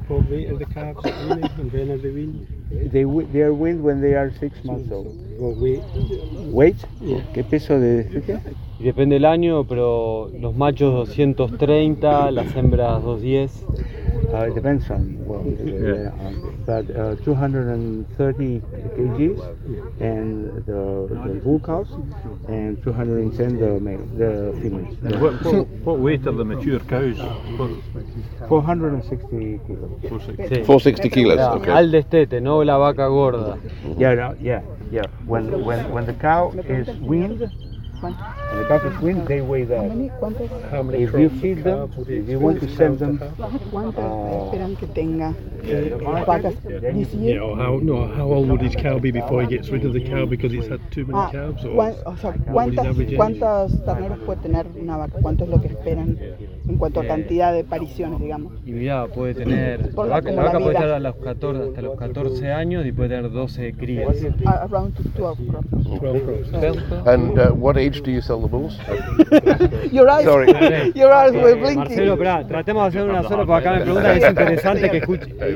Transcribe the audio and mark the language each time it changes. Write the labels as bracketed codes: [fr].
[en] What weight are the calves weaned and when are they weaned? They are weaned when they are 6 months old. What weight? Weight? Yeah. [es] ¿Qué peso de qué? Depende del año, pero los machos 230, las hembras 210. [en] It depends on, well, but 230 kgs yeah. and the bull calves, and 210 the male, the females. What weight are the mature cows? 460 kilos. 460 kilos. Okay. [es] Al destete, no la vaca gorda. [en] Yeah. When the cow is weaned. And the calf is weaned, they weigh that. How many if you feed them, if you want to send them. How old would his cow be before he gets rid of the cow because he's had too many calves? [es] ¿Cuántos terneros puede tener una vaca? ¿Cuánto es lo que esperan en cuanto a cantidad de pariciones, digamos? Y mira, puede tener. La vaca puede estar hasta los 14 años y puede tener 12 crías. [en] Around 12 crops. And what age do you sell the bulls? Your eyes. Sorry. Your eyes were blinking. [es] Marcelo, espera, tratemos de hacer una sola para acá. Me pregunta que es interesante que escuche.